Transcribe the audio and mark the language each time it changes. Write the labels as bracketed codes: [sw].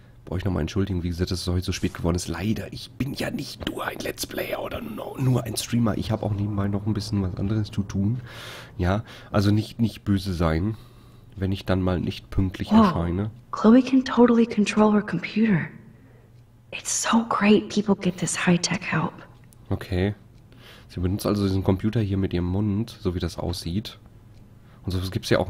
[de] Euch nochmal entschuldigen, wie gesagt, dass es heute so spät geworden ist. Leider, ich bin ja nicht nur ein Let's Player oder nur ein Streamer. Ich habe auch nebenbei noch ein bisschen was anderes zu tun. Ja, also nicht böse sein, wenn ich dann mal nicht pünktlich erscheine. [en] Chloe can totally control her computer. It's so great, people get this high-tech help. Okay. [de] Sie benutzt also diesen Computer hier mit ihrem Mund, so wie das aussieht. Und so gibt es ja auch